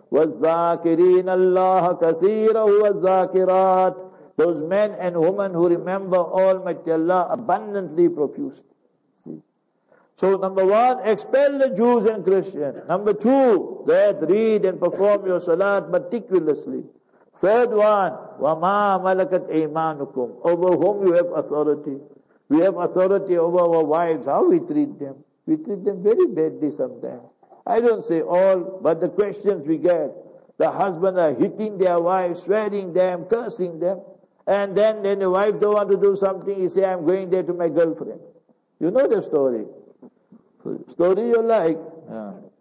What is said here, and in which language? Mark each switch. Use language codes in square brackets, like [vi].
[ar] وَالذَّاكِرِينَ اللَّهَ كَثِيرًا وَالذَّاكِرَاتِ. [en] Those men and women who remember Almighty Allah abundantly, profusely. See? So number one, expel the Jews and Christians. Number two, that read and perform your salat meticulously. Third one, [ar] وَمَا مَلَكَتْ أَيْمَانُكُمْ. [en] Over whom you have authority. We have authority over our wives. How we treat them? We treat them very badly sometimes. I don't say all, but the questions we get, the husbands are hitting their wives, swearing them, cursing them, and then the wife don't want to do something, he say, I'm going there to my girlfriend. You know the story. Story you like. Yeah.